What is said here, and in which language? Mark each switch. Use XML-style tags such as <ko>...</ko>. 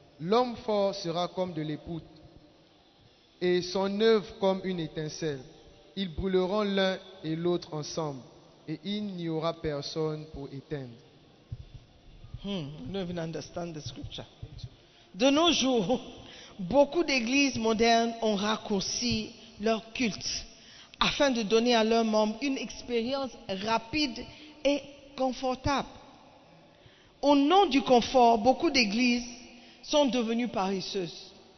<fr>L'homme fort sera comme de l'époux et son œuvre comme une étincelle. Ils brûleront l'un et l'autre ensemble, et il n'y aura personne pour éteindre.</fr> <en>Don't even understand the scripture.</en> <fr>De nos jours, beaucoup d'églises modernes ont raccourci leur culte afin de donner à leurs membres une expérience rapide et confortable. Au nom du confort, beaucoup d'églises sont devenues paresseuses.</fr>